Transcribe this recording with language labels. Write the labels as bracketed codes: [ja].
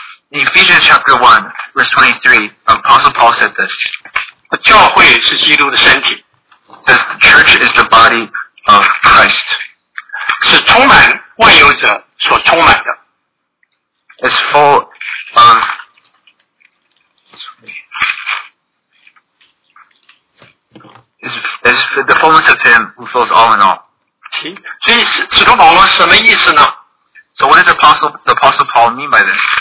[en] In Ephesians chapter 1, verse 23, Apostle Paul said this. [zh] 教会是基督的身体。 [en] The church is the body of Christ. [zh] 是充满万有者所充满的。 [en] It's full of... It's the fullness of him who fills all in all. [zh] 所以使徒保罗什么意思呢 [en] ？So what does the apostle Paul mean by this？